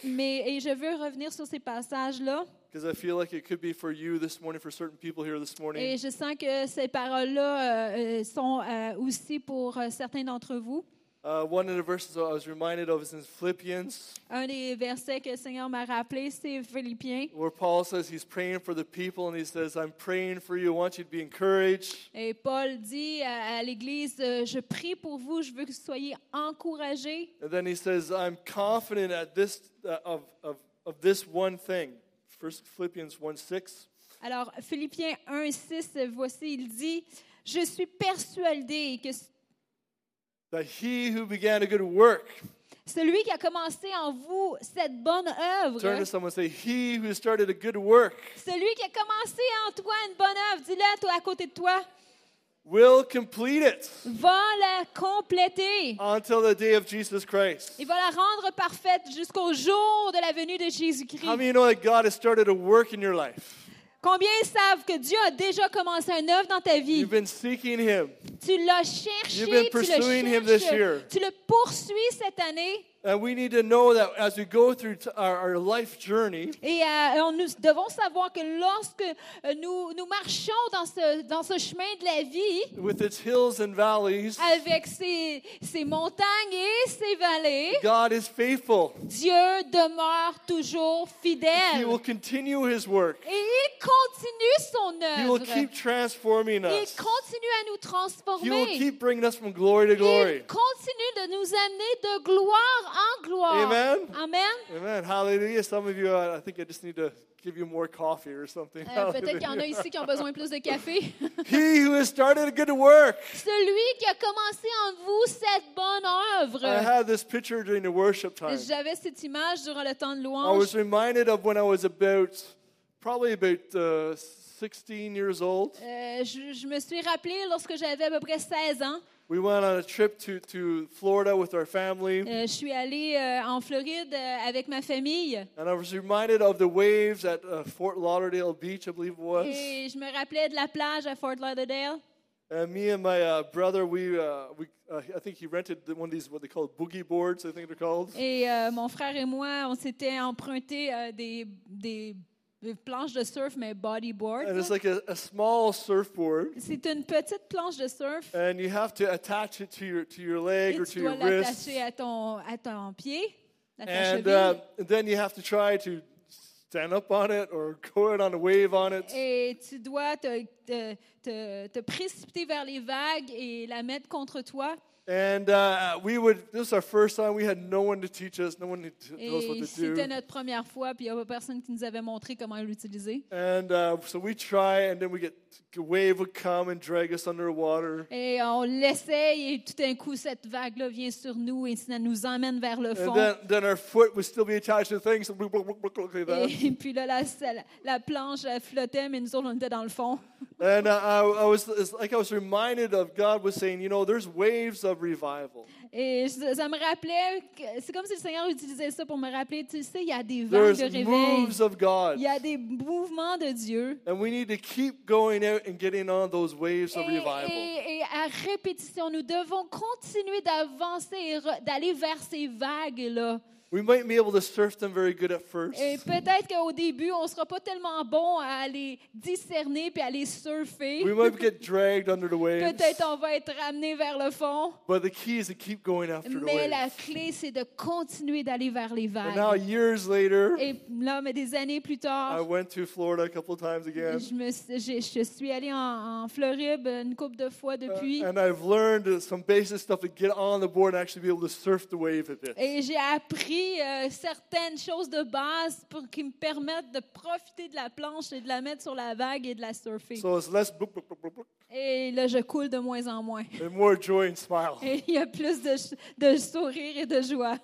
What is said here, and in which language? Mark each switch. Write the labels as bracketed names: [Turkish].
[French] Mais et je veux revenir sur ces passages là. [English] Because I feel like it could be for you this morning, for certain people here this morning. [French] Et je sens que ces paroles là sont aussi pour certains d'entre vous. [English] One of the verses I was reminded of is in Philippians. [French] Un des versets que le Seigneur m'a rappelé, c'est Philippiens. [English] Where Paul says he's praying for the people and he says, I'm praying for you, I want you to be encouraged. [French] Et Paul dit à l'église, je prie pour vous, je veux que vous soyez encouragés. [English] And then he says, I'm confident at this of this one thing. First Philippians 1:6. [French] Alors Philippiens 1:6, voici il dit, je suis persuadé que [English] that he who began a good work. [French] Celui qui a commencé en vous cette bonne œuvre. [English] Turn to someone and say, he who started a good work. [French] Celui qui a commencé en toi une bonne œuvre, dis-le toi à côté de toi. [English] Will complete it. [French] Va la compléter. [English] Until the day of Jesus Christ. [French] Il va la rendre parfaite jusqu'au jour de la venue de Jésus-Christ. [English] How many know that God has started a work in your life? [French] Combien savent que Dieu a déjà commencé un œuvre dans ta vie? [English] You've been seeking him. [French] Tu l'as cherché, tu le cherches, tu le poursuis cette année. [English] And we need to know that as we go through our life journey. [French] Et nous devons savoir que lorsque nous marchons dans ce chemin de la vie, [English] with its hills and valleys, [French] avec ses montagnes et ses vallées, [English] God is faithful. [French] Dieu demeure toujours fidèle. [English] He will continue his work. [French] Et il continue son œuvre. [English] He will keep transforming us. [French] Il continue à nous transformer. [English] He will keep bringing us from glory to glory. [French] Il continue de nous amener de gloire en gloire. Amen. Amen. Amen. Hallelujah. [English] Some of you, I think I just need to give you more coffee or something. [French] Peut-être qu'il y en a ici qui ont besoin plus de café. [English] He who has started a good work. [French] Celui qui a commencé en vous cette bonne œuvre. [English] I had this picture during the worship time. [French] J'avais cette image durant le temps de louange. [English] I was reminded of when I was probably about 16 years old. [French] Je me suis rappelé lorsque j'avais à peu près 16 ans. [English] We went on a trip to Florida with our family. [French] Je suis allée en Floride avec ma famille. [English] And I was reminded of the waves at Fort Lauderdale Beach, I believe it was. [French] Et je me rappelais de la plage à Fort Lauderdale. [English] And me and my brother, I think he rented one of these, what they call boogie boards, I think they're called. [French] Et mon frère et moi, on s'était emprunté des planches de surf, mais bodyboard. [English] And it's like a small surfboard. [French] C'est une petite planche de surf. [English] And you have to attach it to your leg [French] et [English] or to your wrist. [French] Tu dois l'attacher à ton pied, à ta cheville. [English] And then you have to try to stand up on it or go out on a wave on it. [French] Et tu dois te précipiter vers les vagues et la mettre contre toi. [English] And this was our first time. We had no one to teach us. No one knows what to do. [French] Et c'était notre première fois, puis il n'y avait personne qui nous avait montré comment l'utiliser. [English] And so we try, and then a wave would come and drag us underwater. [French] Et on l'essaye, et tout d'un coup, cette vague-là vient sur nous, et ça nous emmène vers le fond. [English] And then our foot would still be attached to things, and like that. [French] Et puis là, la planche flottait, mais nous autres, on était dans le fond. [English] And I was reminded of God was saying, you know, there's waves of revival. [French] Et ça me rappelait, c'est comme si le Seigneur utilisait ça pour me rappeler, tu sais, il y a des vagues [English] there's [French] de réveil. [English] There's moves of God. [French] Il y a des mouvements de Dieu. [English] And we need to keep going out and getting on those waves of revival. [French] Et à répétition, nous devons continuer d'avancer et d'aller vers ces vagues là. [English] We might be able to surf them very good at first. [French] Et peut-être qu'au début, on sera pas tellement bon à aller discerner puis à aller surfer. [English] We might get dragged under the waves. [French] Peut-être on va être ramené vers le fond. [English] But the key is to keep going after the waves. [French] Mais la clé c'est de continuer d'aller vers les vagues. [English] And now, years later. [French] Et là, mais des années plus tard. [English] I went to Florida a couple of times again. [French] Je suis allé en Floride une couple de fois depuis. [English] And I've learned some basic stuff to get on the board and actually be able to surf the wave a bit. [French] Et j'ai appris certaines choses de base pour qui me permettent de profiter de la planche et de la mettre sur la vague et de la surfer. [English] So it's less blup, blup, blup, blup. [French] Et là, je coule de moins en moins. [English] And more joy and smile. [French] Et il y a plus de sourire et de joie.